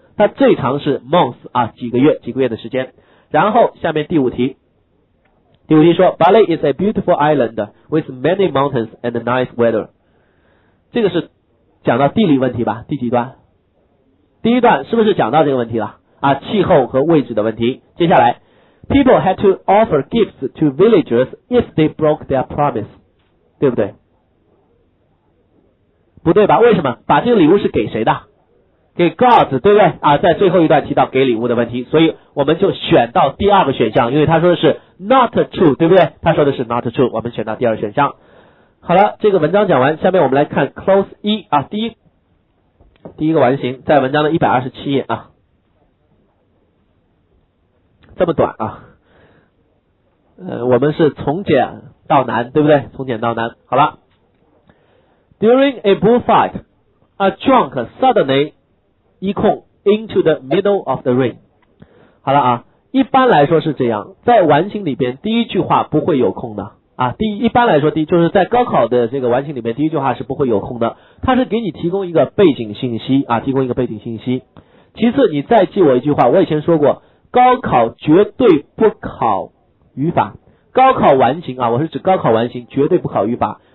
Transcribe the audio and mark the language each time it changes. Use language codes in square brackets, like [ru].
[zh] 它最长是 months 啊，几个月的时间。然后下面第五题说 [en] Bali is a beautiful island with many mountains and nice weather， [zh] 这个是讲到地理问题吧？第几段？第一段是不是讲到这个问题了啊？气候和位置的问题。接下来 [en] people had to offer gifts to villagers if they broke their promise， [zh] 对不对？不对吧？为什么？把这个礼物是给谁的？给 gods， 对不对啊？在最后一段提到给礼物的问题，所以我们就选到第二个选项，因为他说的是 [en] not true， [zh] 对不对？他说的是 [en] not true， [zh] 我们选到第二个选项。好了，这个文章讲完，下面我们来看 close 一啊，第一个完形在文章的127页啊，这么短啊，我们是从简到难，对不对？从简到难。好了， [en] during a bullfight a drunk suddenly [zh] 一空 [en] into the middle of the ring。 [zh] 好了啊，一般来说是这样，在完形里边第一句话不会有空的啊。一般来说就是在高考的这个完形里面第一句话是不会有空的，它是给你提供一个背景信息啊，提供一个背景信息。其次你再记我一句话，我以前说过高考绝对不考语法，高考完形啊，我是指高考完形绝对不考语法。